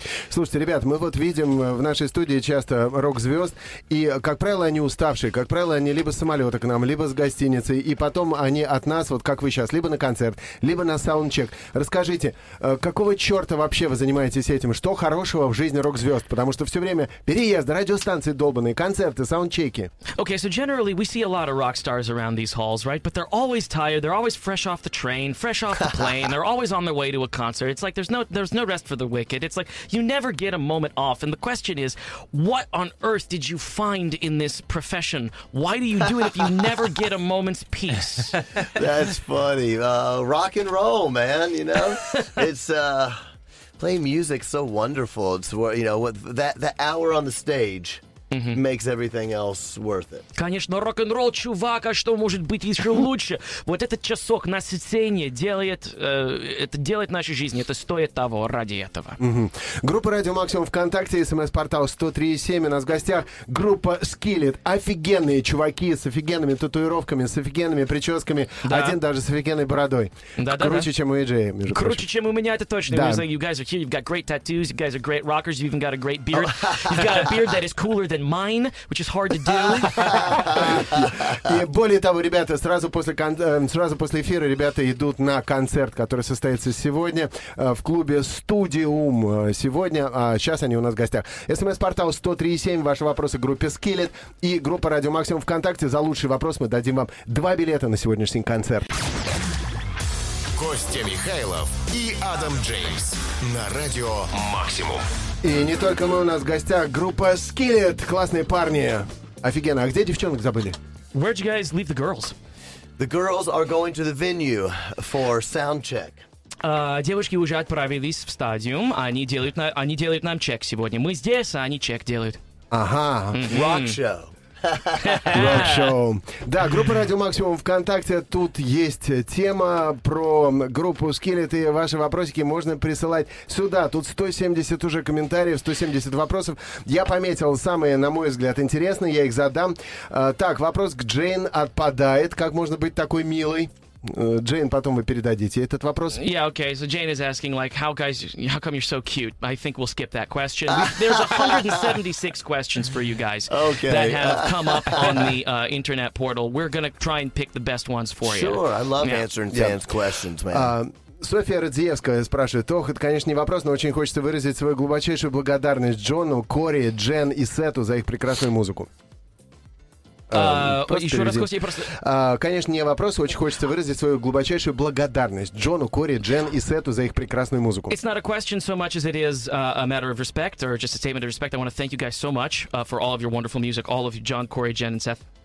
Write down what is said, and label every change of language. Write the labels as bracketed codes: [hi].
[ru] Слушайте, ребят, мы вот видим в нашей студии часто рок-звезд, и, как правило, они уставшие, как правило, они либо с самолета к нам, либо с гостиницей, и потом они от нас, вот как вы сейчас, либо на концерт, либо на саундчек. Расскажите, какого черта вообще вы занимаетесь этим? Что хорошего в жизни рок-звезд? Потому что все время переезды, радиостанции долбанные, концерты, саундчеки. [en] Okay, so generally we see a lot of rock stars around these halls, right? But they're always tired, they're always fresh off the train, fresh off the plane, they're always on their way to a concert. It's like there's no rest for the wicked. It's like you never get a moment off. And the question is, what on earth did you find in this profession? Why do you do it if you never get a moment's peace? That's funny. Rock and roll, man, you know? It's playing music so wonderful. It's, you know, the hour on the stage makes everything else worth it. [ru] Конечно, рок-н-ролл, чувак, а что может быть еще лучше? Вот этот часок на сцене делает нашу жизнь. Это стоит того ради этого. Группа «Радио Максимум» ВКонтакте, смс-портал 103.7. У нас в гостях группа «Skillet». Офигенные чуваки с офигенными татуировками, с офигенными прическами. Да. Один даже с офигенной бородой. Да-да-да. Круче, чем у Эджея, между прочим. Круче, чем у меня, это точно. Да. [en] Like, you guys are here, you've got great tattoos, you guys are great rockers, you've even got a great beard. You've got a beard that is cooler than mine, which is hard to do. [ru] И более того, ребята, сразу после эфира ребята идут на концерт, который состоится сегодня в клубе «Студиум». Сегодня, а сейчас они у нас в гостях. СМС-портал 103.7, ваши вопросы группе «Skillet» и группа «Радио Максимум» ВКонтакте. За лучший вопрос мы дадим вам 2 билета на сегодняшний концерт. Костя Михайлов и Адам Джеймс на «Радио Максимум». И не только мы, у нас в гостях группа Skillet. Классные парни. Офигенно. А где девчонок забыли? [en] Where'd you guys leave the girls? The girls are going to the venue for soundcheck. [ru] Девушки уже отправились в стадиум. Они делают нам чек сегодня. Мы здесь, а они чек делают. Ага. [en] Rock show. [ru] Рок-шоу. Да, группа «Радио Максимум» ВКонтакте. Тут есть тема про группу «Skillet», и ваши вопросики можно присылать сюда. Тут 170 уже комментариев, 170 вопросов. Я пометил самые, на мой взгляд, интересные. Я их задам. Так, вопрос к Джейн отпадает. Как можно быть такой милой? Джейн, потом вы передадите этот вопрос. [en] Yeah, okay. So Jane is asking, like, how come you're so cute? I think we'll skip that question. There's 176 questions for you guys that have come up on the internet portal. We're gonna try and pick the best ones for you. Sure, I love answering fans' questions, man. [ru] София Радзиевская спрашивает. Ох, это, конечно, не вопрос, но очень хочется выразить свою глубочайшую благодарность Джону, Кори, Джен и Сету за их прекрасную музыку. Еще раз, Костя, просто... Конечно, не вопрос, очень хочется выразить свою глубочайшую благодарность Джону, Кори, Джен и Сету за их прекрасную музыку. [en] It's not a question so much as it is a matter of respect, or just a statement of respect. I want to thank you guys so much for all of your wonderful music, all of you, John, Corey, Jen, and Seth.